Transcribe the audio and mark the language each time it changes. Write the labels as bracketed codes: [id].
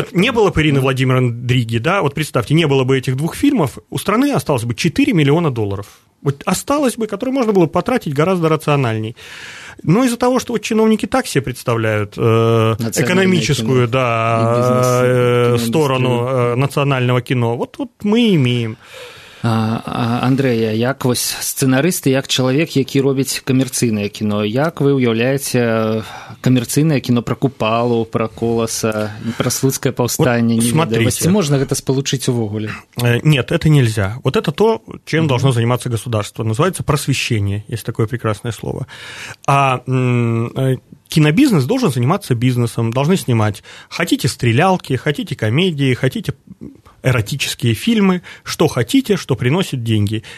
[ru] Вот не было бы Ирины Владимировны Дриги, да, вот представьте, не было бы этих двух фильмов, у страны осталось бы 4 миллиона долларов. Вот осталось бы, которое можно было потратить гораздо рациональней. Но из-за того, что вот чиновники так себе представляют экономическую кино, да, сторону национального кино, вот мы имеем. [be] Андрэя, як вось сцэнарыст, як чалавек, які робіць камерцыйнае кіно, як вы ўяўляеце камерцыйнае кіно пра Купалу, пра Коласа, пра Слуцкае паўстанне? [ru] Вот, смотрите. [be] Ці можна гэта спалучыць увогуле? [ru] Нет, это нельзя. Вот это то, чем должно заниматься государство. Называется просвещение, есть такое прекрасное слово. А кинобизнес должен заниматься бизнесом, должны снимать. Хотите стрелялки, хотите комедии, хотите эротические фильмы, что хотите, что приносит деньги.